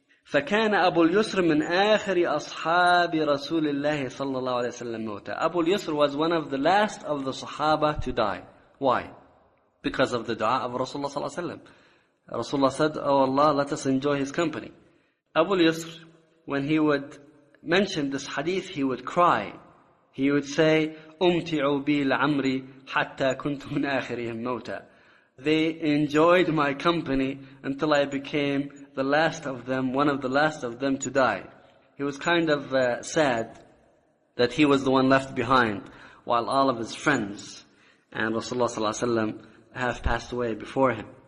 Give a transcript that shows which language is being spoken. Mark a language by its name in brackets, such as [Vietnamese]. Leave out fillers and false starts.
[Arabic] فَكَانَ أَبُو الْيُسْرِ مِنْ آخِرِ أَصْحَابِ رَسُولِ اللَّهِ صَلَّى اللَّهُ عَلَيْهِ وَسَلَّمْ مُوتَى. [English] Abu al-Yusr was one of the last of the Sahaba to die. Why? Because of the dua of Rasulullah sallallahu alayhi wa sallam. Rasulullah said, Oh Allah, let us enjoy his company. Abu al-Yusr, when he would mention this hadith, he would cry. He would say, [Arabic] أُمْتِعُوا بِي لَعَمْرِي حَتَّى كُنْتُ مِنْ آخِرِهِمْ مَوْتَى. [English] They enjoyed my company until I became the last of them, one of the last of them to die. He was kind of sad that he was the one left behind while all of his friends and Rasulullah sallallahu alayhi wa sallam have passed away before him.